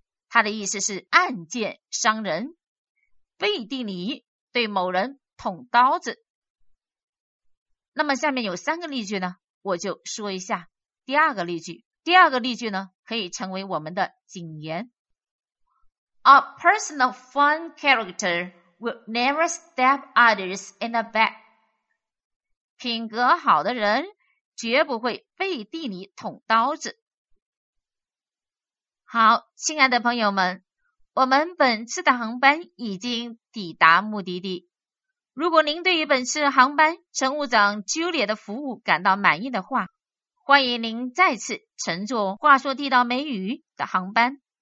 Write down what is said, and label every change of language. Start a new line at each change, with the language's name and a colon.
Chinese: 它的意思是暗箭伤人，背地里对某人捅刀子。那么下面有三个例句呢，我就说一下第二个例句。第二个例句呢，可以成为我们的警言。
English: A person of fun character will never stab others in the back.
Chinese: 品格好的人绝不会背地里捅刀子。好，亲爱的朋友们，我们本次的航班已经抵达目的地。如果您对于本次航班乘务长 Julia 的服务感到满意的话，欢迎您再次乘坐话说地道美语的航班。